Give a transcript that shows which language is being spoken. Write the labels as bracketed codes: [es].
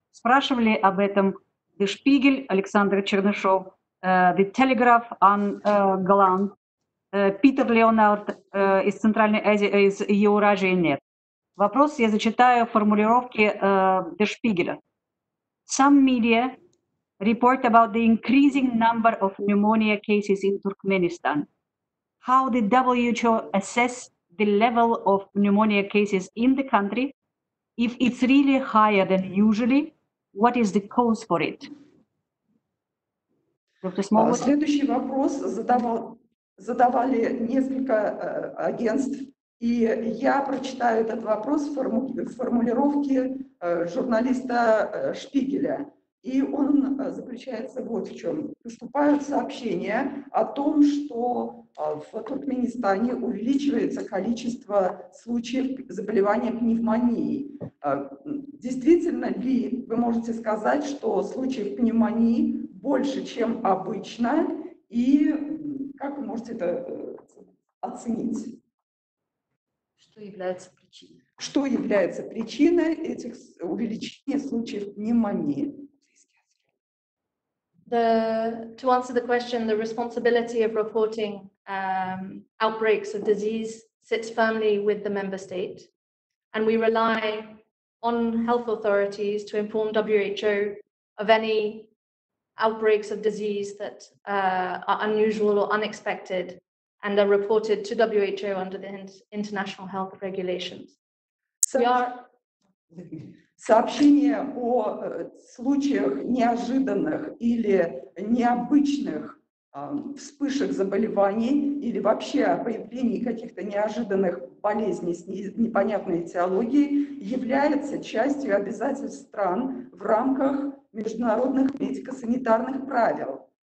[ru] Спрашивали об этом Шпигель, Александр Чернышов, The Telegraph, Ан Галан, Питер Леонард из Центральной Азии, из Евразии, нет. Вопрос я зачитаю в формулировке Шпигеля. [en] Some media report about the increasing number of pneumonia cases in Turkmenistan. How did WHO assess the level of pneumonia cases in the country? If it's really higher than usually, what is the cause for it? [ru] Следующий вопрос задавали несколько агентств, и я прочитаю этот вопрос в формулировке журналиста Шпигеля. И он заключается вот в чем. Поступают сообщения о том, что в Туркменистане увеличивается количество случаев заболевания пневмонией. Действительно ли вы можете сказать, что случаев пневмонии больше, чем обычно? И как вы можете это оценить? Что является причиной? Что является причиной этих увеличения случаев пневмонии? [en] To answer the question, the responsibility of reporting outbreaks of disease sits firmly with the member state, and we rely on health authorities to inform WHO of any outbreaks of disease that are unusual or unexpected and are reported to WHO under the international health regulations. [ru] Сообщения о случаях неожиданных или необычных вспышек заболеваний или вообще о появлении каких-то неожиданных болезней с непонятной этиологией являются частью обязательств стран в рамках международных медико-санитарных правил.